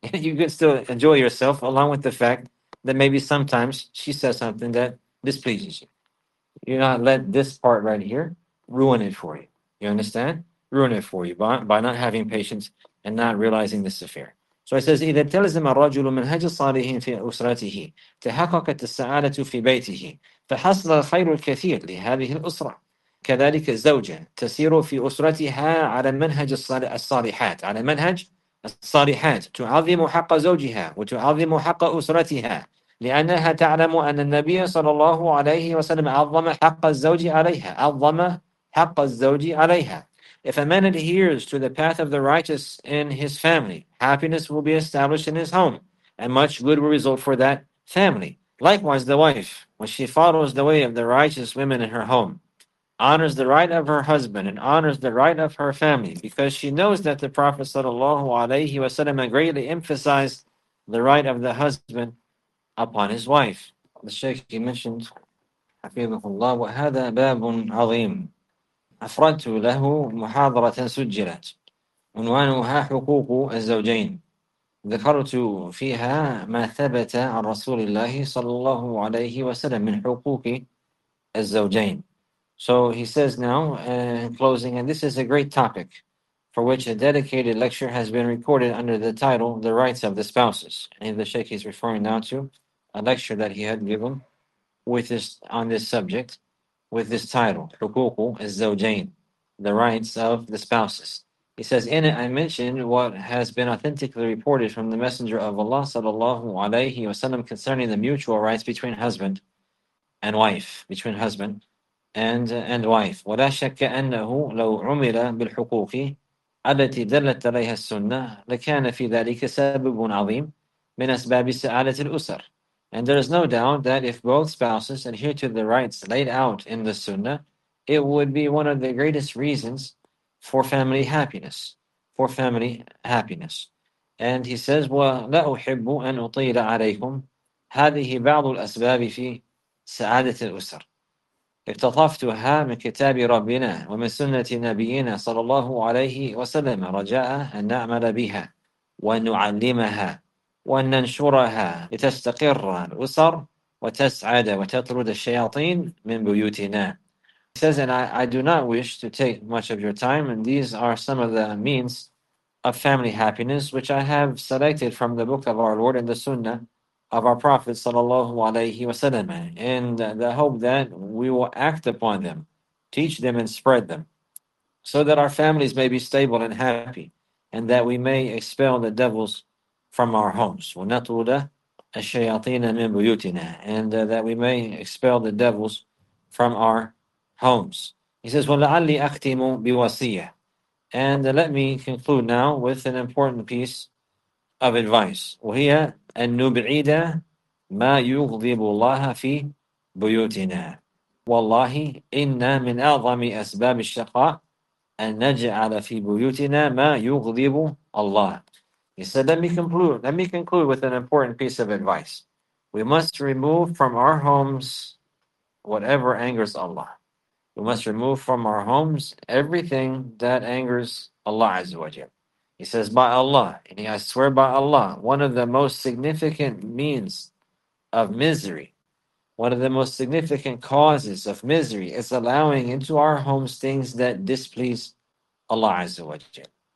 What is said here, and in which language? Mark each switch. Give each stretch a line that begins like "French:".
English: You could still enjoy yourself, along with the fact that maybe sometimes she says something that displeases you. You not let this part right here ruin it for you. You understand? Ruin it for you by not having patience and not realizing this affair. So it says,
Arabic: إِذَا تَلْزِمَ الرَّجُلُ مِنْهَجَ الصَّالِحِينَ فِي أُسْرَتِهِ تَحَقَّقَتِ السَّعَادَةُ فِي بَيْتِهِ فَحَصَلَ الْخَيْرُ الْكَثِيرُ لِهَذِهِ الْأُسْرَةِ كذلك الزوجة تسير في أسرتها على منهج الصالحات على منهج الصالحات تعظم حق زوجها وتعظم حق أسرتها لأنها تعلم أن النبي صلى الله عليه وسلم عظم حق الزوج عليها عظم حق الزوج عليها.
English: If a man adheres to the path of the righteous in his family, happiness will be established in his home, and much good will result for that family. Likewise, the wife, when she follows the way of the righteous women in her home, honors the right of her husband and honors the right of her family, because she knows that the Prophet sallallahu alaihi wasallam greatly emphasized the right of the husband upon his wife. The Shaykh, he mentioned,
Arabic: حفظه وهذا باب عظيم أفردت له محاضرة سجلت عنوانها حقوق الزوجين ذكرت فيها ما ثبت عن رسول الله صلى الله عليه وسلم من حقوق الزوجين.
English: So he says now, in closing, and this is a great topic for which a dedicated lecture has been recorded under the title, The Rights of the Spouses. And the Sheikh is referring now to a lecture that he had given on this subject with this title, Hukuku al-Zawjain, The Rights of the Spouses. He says, in it I mentioned what has been authentically reported from the Messenger of Allah sallallahu alayhi wa sallam concerning the mutual rights between husband and wife, between husband and wife.
Arabic: ولا شك أنه لو عمل بالحقوق التي دلت عليها السنة لكان في ذلك سبب عظيم من أسباب سعادة الأسر.
English: And there is no doubt that if both spouses adhere to the rights laid out in the Sunnah, it would be one of the greatest reasons for family happiness. For family happiness. And he says,
Arabic: ولا أحب أن أطيل عليكم هذه بعض الأسباب في سعادة الأسر. اقتطفتها من كتاب ربنا ومن سنة نبينا صلى الله عليه وسلم رجاء أن نعمل بها ونعلمها وننشرها لتستقر الأسر وتسعد وتطرد الشياطين من بيوتنا.
English: He says, and I do not wish to take much of your time, and these are some of the means of family happiness which I have selected from the book of our Lord and the Sunnah of our Prophet sallallahu alayhi wa sallam, in the hope that we will act upon them, teach them and spread them, so that our families may be stable and happy, and that we may expel the devils from our homes.
Arabic: وَنَطْوُدَ الشَّيَاطِينَ مِن بُيُوتِنَا.
English: And that we may expel the devils from our homes. He says,
Arabic: وَلَعَلِّي أَخْتِمُ بِوَصِيَّةٍ.
English: And let me conclude now with an important piece of advice.
Arabic: وَهِيَ أَنُّ بِعِيدَ مَا يُغْضِبُ اللَّهَ فِي بُيُوتِنَا. والله إن من أعظم أسباب الشقاء أن نجعل في بيوتنا ما يغضب الله.
English: He said, let me conclude with an important piece of advice. We must remove from our homes whatever angers Allah. We must remove from our homes everything that angers Allah Azza wa Jalla. He says, by Allah, and I swear by Allah, one of the most significant means of misery, one of the most significant causes of misery, is allowing into our homes things that displease Allah Azza wa Jalla.